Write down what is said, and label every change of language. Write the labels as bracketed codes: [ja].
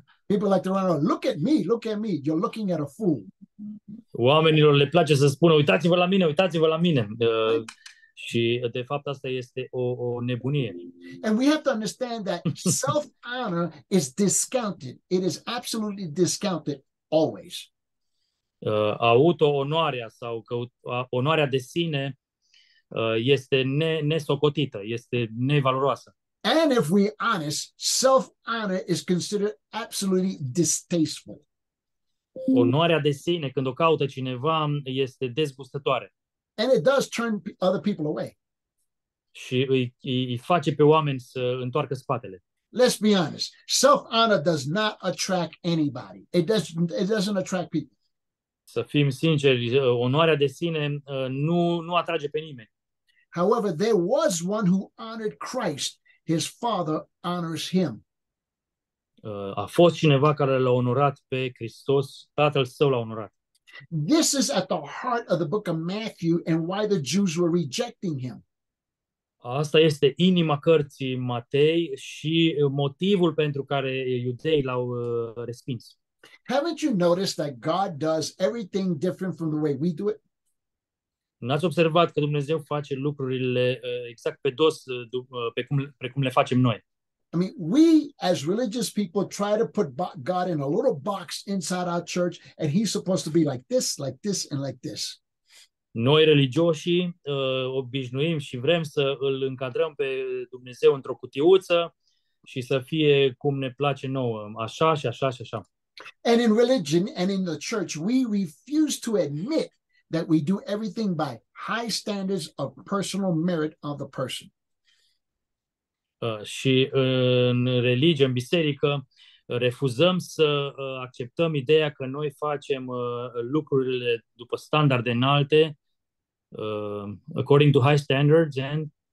[en] People like to run around, look at me, look at me. You're looking at a fool. [ro] Oamenilor le place să spună, uitați-vă la mine, uitați-vă la mine. Și de fapt asta este o nebunie. [en] And we have to understand that self-honor is discounted. It is absolutely discounted always. [ro] Auto-onoarea sau onoarea de sine este nesocotită, este nevaloroasă. [en] And if we're honest, self-honor is considered absolutely distasteful. [ro] Onoarea de sine, când o caută cineva, este dezgustătoare. [en] And it does turn other people away. [ro] Și îi face pe oameni să întoarcă spatele. [en] Let's be honest. Self-honor does not attract anybody. It doesn't attract people. [ro] Să fim sinceri, onoarea de sine nu atrage pe nimeni. [en] However, there was one who honored Christ. His father honors him. [ro] A fost cineva care l-a onorat pe Hristos, tatăl său l-a onorat. [en] This is at the heart of the book of Matthew and why the Jews were rejecting him. [ro] Asta este inima cărții Matei și motivul pentru care iudeii l-au respins. [en] Haven't you noticed that God does everything different from the way we do it? [ro] N-ați observat că Dumnezeu face lucrurile exact pe dos precum le facem noi? [en] I mean, we as religious people try to put God in a little box inside our church and he's supposed to be like this, like this, and like this. [ro] Noi religioși obișnuim și vrem să îl încadrăm pe Dumnezeu într-o cutiuță și să fie cum ne place nouă, așa și așa și așa. [en] And in religion and in the church, we refuse to admit that we do everything by high standards of personal merit of the person. [ro] Și în religie, în biserică, refuzăm să acceptăm ideea că noi facem lucrurile după standarde înalte, [en] according to high standards and